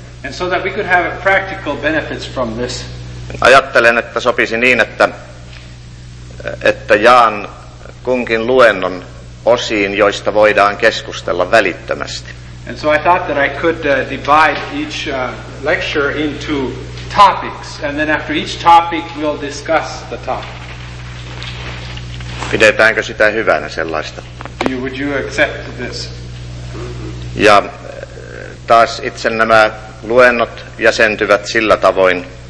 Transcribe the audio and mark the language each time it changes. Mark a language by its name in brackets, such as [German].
[English] And so that we could have practical benefits from this. [Finnish] Ajattelen, että sopisi niin, että jaan kunkin luennon osiin, joista voidaan keskustella välittömästi. [English] And so I thought that I could divide each lecture into topics, and then after each topic we'll discuss the topic. [Finnish] Pidetäänkö sitä hyvänä sellaista? [English] Would you accept this? [Finnish] Ja taas itse nämä luennot jäsentyvät sillä tavoin.